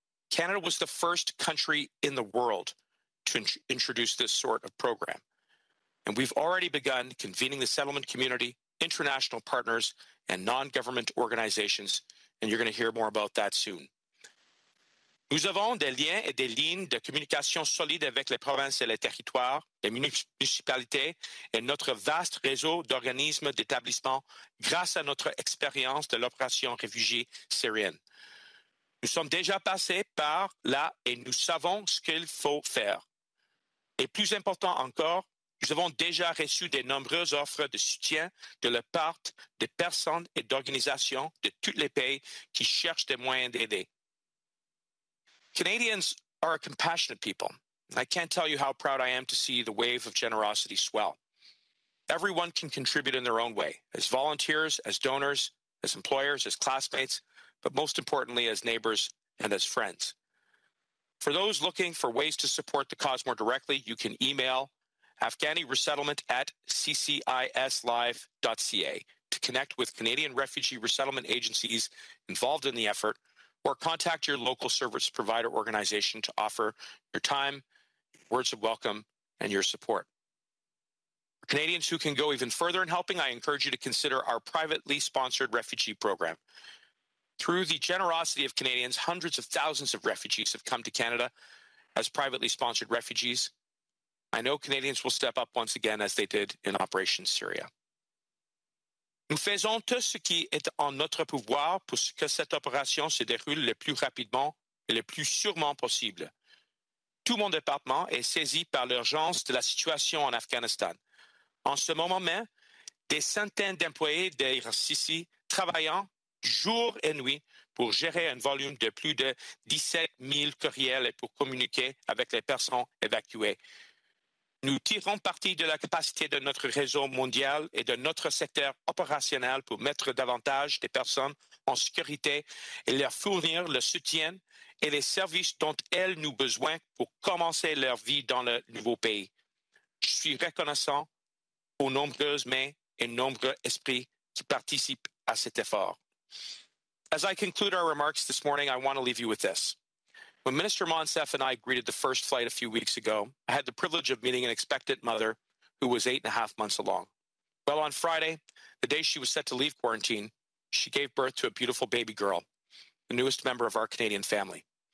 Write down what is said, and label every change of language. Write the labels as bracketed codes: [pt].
[en] Canada was the first country in the world to introduce this sort of program. And we've already begun convening the settlement community, international partners, and non-government organizations. And you're going to hear more about that soon. [fr] Nous avons des liens et des lignes de communication solides avec les provinces et les territoires, les municipalités et notre vaste réseau d'organismes d'établissements grâce à notre expérience de l'opération réfugiée syrienne. Nous sommes déjà passés par là et nous savons ce qu'il faut faire. Et plus important encore, nous avons déjà reçu de nombreuses offres de soutien de la part de personnes et d'organisations de tous les pays qui cherchent des moyens d'aider. [en] Canadians are a compassionate people. I can't tell you how proud I am to see the wave of generosity swell. Everyone can contribute in their own way, as volunteers, as donors, as employers, as classmates, but most importantly, as neighbors and as friends. For those looking for ways to support the cause more directly, you can email AfghaniResettlement@cciislive.ca to connect with Canadian refugee resettlement agencies involved in the effort, or contact your local service provider organization to offer your time, words of welcome, and your support. For Canadians who can go even further in helping, I encourage you to consider our privately sponsored refugee program. Through the generosity of Canadians, hundreds of thousands of refugees have come to Canada as privately sponsored refugees. I know Canadians will step up once again as they did in Operation Syria. [fr] Nous faisons tout ce qui est en notre pouvoir pour que cette opération se déroule le plus rapidement et le plus sûrement possible. Tout mon département est saisi par l'urgence de la situation en Afghanistan. En ce moment même, des centaines d'employés de RCC travaillant jour et nuit pour gérer un volume de plus de 17 000 courriels et pour communiquer avec les personnes évacuées. Nous tirons parti de la capacité de notre réseau mondial et de notre secteur opérationnel pour mettre davantage de personnes en sécurité et leur fournir le soutien et les services dont elles ont besoin pour commencer leur vie dans le nouveau pays. Je suis reconnaissant aux nombreuses mains et nombreux esprits qui participent à cet effort. [en] As I conclude our remarks this morning, I want to leave you with this. When Minister Monsef and I greeted the first flight a few weeks ago, I had the privilege of meeting an expectant mother who was 8.5 months along. Well, on Friday, the day she was set to leave quarantine, she gave birth to a beautiful baby girl, the newest member of our Canadian family.